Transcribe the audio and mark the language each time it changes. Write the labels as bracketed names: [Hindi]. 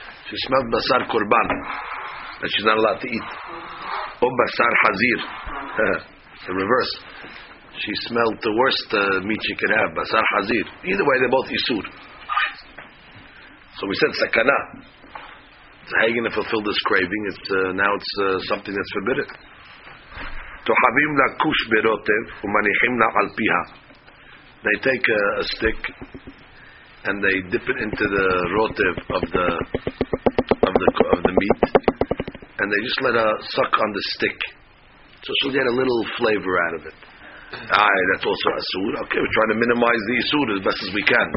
[English] She smells basar korban that she's not allowed to eat. Or basar hazir. The reverse. She smelled the worst meat she can have. Basar hazir. Either way, they're both isur. So we said sakana. So how are you going to fulfill this craving? It's something that's forbidden. [Hebrew] תוחבים לה קוש ברוטב ומניחים לה על פיה. [English] They take a stick and they dip it into the rotev of the meat, and they just let her suck on the stick, so she'll get a little flavor out of it. That's also asur. Okay, we're trying to minimize the asur as best as we can.